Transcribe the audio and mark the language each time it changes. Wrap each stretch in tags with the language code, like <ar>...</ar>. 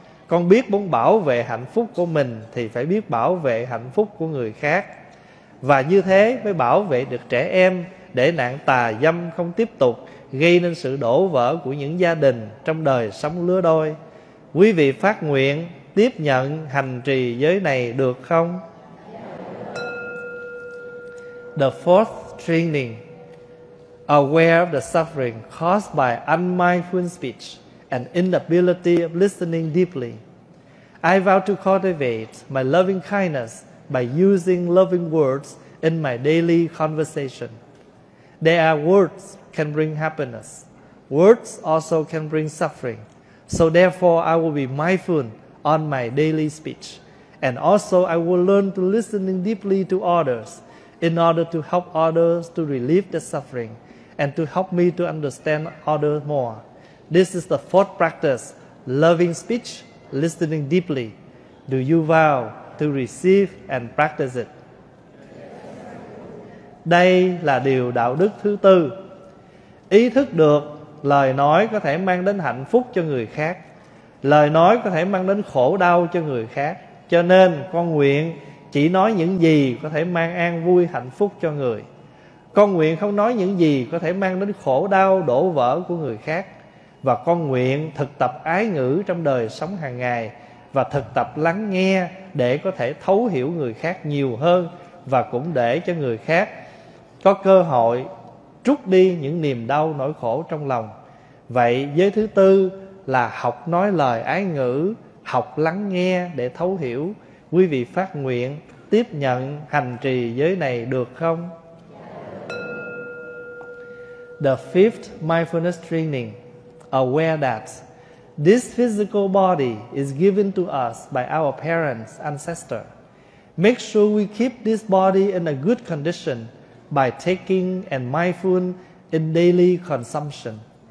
<vi>Con biết muốn bảo vệ hạnh phúc của mình thì phải biết bảo vệ hạnh phúc của người khác. Và như thế mới bảo vệ được trẻ em để nạn tà dâm không tiếp tục gây nên sự đổ vỡ của những gia đình trong đời sống lứa đôi. Quý vị phát nguyện tiếp nhận hành trì giới này được không?</vi> <en>The fourth training: aware of the suffering caused by unmindful speech and inability of listening deeply. I vow to cultivate my loving kindness by using loving words in my daily conversation. There are words can bring happiness. Words also can bring suffering. So therefore, I will be mindful on my daily speech. And also, I will learn to listen deeply to others in order to help others to relieve the suffering and to help me to understand others more. This is the fourth practice, loving speech, listening deeply. Do you vow to receive and practice it?</en> <vi>Đây là điều đạo đức thứ tư. Ý thức được lời nói có thể mang đến hạnh phúc cho người khác, lời nói có thể mang đến khổ đau cho người khác. Cho nên con nguyện chỉ nói những gì có thể mang an vui hạnh phúc cho người. Con nguyện không nói những gì có thể mang đến khổ đau đổ vỡ của người khác. Và con nguyện thực tập ái ngữ trong đời sống hàng ngày và thực tập lắng nghe để có thể thấu hiểu người khác nhiều hơn, và cũng để cho người khác có cơ hội trút đi những niềm đau nỗi khổ trong lòng. Vậy giới thứ tư là học nói lời ái ngữ, học lắng nghe để thấu hiểu. Quý vị phát nguyện tiếp nhận hành trì giới này được không?</vi> <en>The fifth mindfulness training: aware that this physical body is given to us by our parents, ancestors. Make sure we keep this body in a good condition by taking and mindful in daily consumption.</en>